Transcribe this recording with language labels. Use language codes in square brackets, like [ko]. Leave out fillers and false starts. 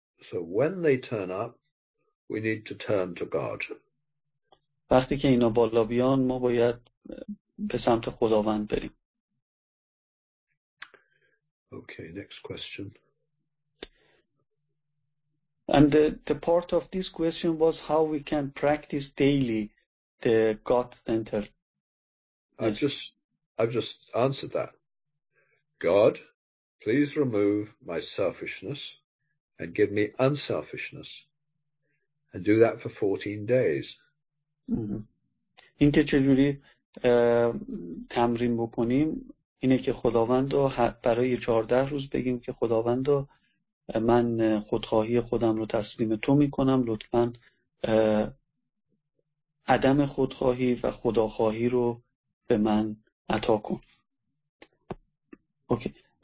[en] So when they turn up, we need to turn to God. [fa] وقتی که اینا بالا بیان ما باید به سمت خداوند بریم. [en] Okay, next question. And the part of this question was how we can practice daily the God-centered. I've just answered that. God, please remove my selfishness and give me unselfishness, and do that for 14 days. [fa] این که چجوری تمرین بکنیم اینه که خداوند رو برای 14 روز بگیم که خداوند رو من خودخواهی خودم رو تسلیم تو میکنم، لطفاً عدم خودخواهی و خداخواهی رو به من عطا کن. اوکی.